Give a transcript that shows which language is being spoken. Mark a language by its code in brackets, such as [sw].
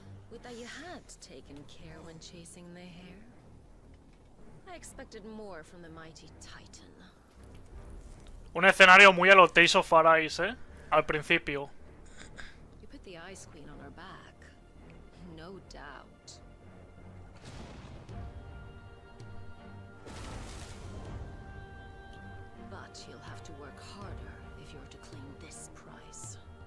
[en] Would that you had taken care when chasing the hare? I expected more from the mighty titan. [es] Un escenario muy a lo Tales of Arise, ¿eh? Al principio. [en] You put the Ice Queen on her back. No doubt. But you'll have to work harder if you're to claim this prize.